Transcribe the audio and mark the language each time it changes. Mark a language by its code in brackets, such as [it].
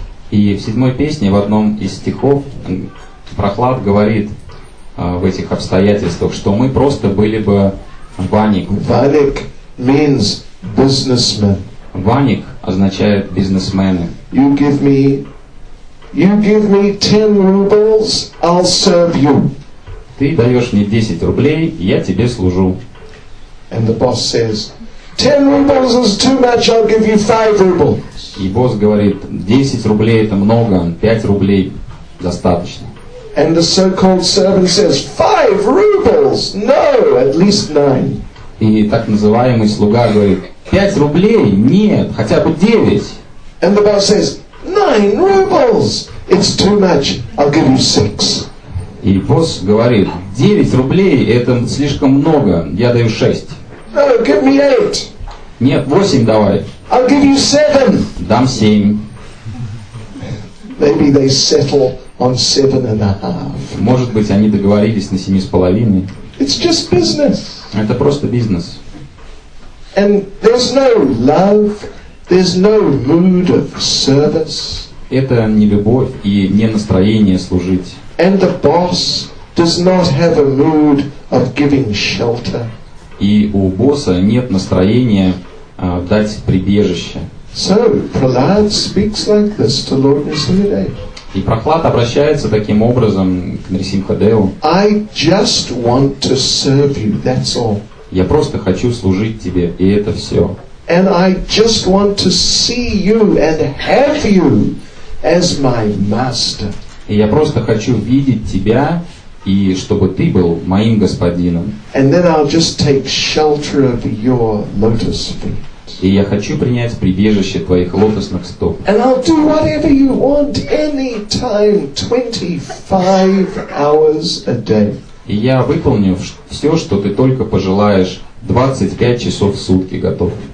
[ru] И в седьмой песне в одном из стихов Прохлад говорит в этих обстоятельствах, что мы просто были бы ваник. [en] Ваник means businessman. [ru] Ваник означает бизнесмены. [en] You give me 10 rubles, I'll serve you. [ru] Ты даешь мне 10 рублей, я тебе служу. [en] And the boss says, 10 rubles is too much, I'll give you 5 rubles. [ru] И босс говорит: 10 рублей это много, 5 рублей достаточно. [en] And the so-called servant says, 5 rubles? No, at least 9. [ru] И так называемый слуга говорит: «Пять рублей? Нет, хотя бы девять». [en] And the boss says, «Nine rubles! It's too much. I'll give you six». [ru] И босс говорит: «Девять рублей — это слишком много. Я даю шесть». [en] No, give me eight. [ru] Нет, восемь давай. [en] I'll give you seven. [ru] Дам семь. [en] Maybe they settle on seven and a half. [ru] Может быть, они договорились на семи с половиной. [en] It's just business. [ru] Это просто бизнес. [en] And there's no love, there's no mood of service. [ru] Это не любовь и не настроение служить. [en] And the boss does not have a mood of giving shelter. [ru] И у босса нет настроения дать прибежище. [en] So Prahlad speaks like this to Lord Nisimhadev. [ru] И Прохлад обращается таким образом к Нарисимхадеву. [en] I just want to serve you, that's all. [ru] Я просто хочу служить тебе, и это все. [en] And I just want to see you and have you as my master. [ru] И я просто хочу видеть тебя, и чтобы ты был моим господином. [en] And then I'll just take shelter of your lotus feet. [ru] И я хочу принять прибежище твоих лотосных стоп. [en] And I'll do whatever you want, anytime, 25 hours a day. [ru] И я выполню все, что ты только пожелаешь, 25 часов в сутки готов.